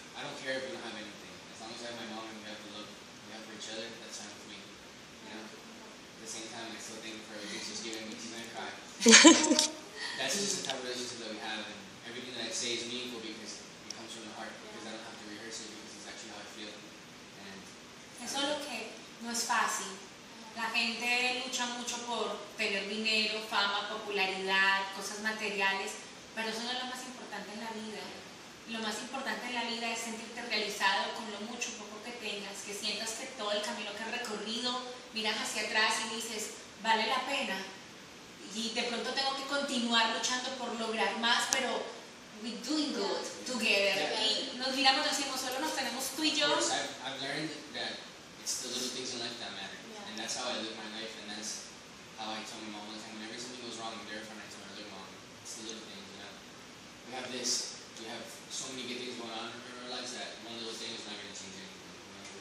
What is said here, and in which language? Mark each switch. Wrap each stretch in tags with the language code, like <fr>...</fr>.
<en>I don't care if you don't have anything, as long as I have my mom and we have the love we have for each other. That's fine with me. You know. At the same time, I still thank her for just giving me to my cry. That's just the type of relationship that we have, and everything that I say is meaningful because it comes from the heart, because I don't have to rehearse it, because it's actually how I feel. And</en> <es>eso es lo que no es fácil. La gente lucha mucho por tener dinero, fama, popularidad, cosas materiales, pero eso no es lo más importante en la vida. Lo más importante en la vida es sentirte realizado con lo mucho poco que tengas, que sientas que todo el camino que has recorrido, miras hacia atrás y dices, vale la pena. Y de pronto tengo que continuar luchando por lograr más, pero</es> <en>we're doing good together. Yeah.</en> <es>Y nos miramos y decimos, solo nos tenemos tú y yo.</es> <en>Of course, I've learned that it's the little things in life that matter. Yeah. And that's how I live my life, and that's how I tell my mom all the time. Whenever something goes wrong, I'm there for my mom. It's the little things, you know. We have this. We have so many good things going on in our lives that one of those things is not going to change anything.</en>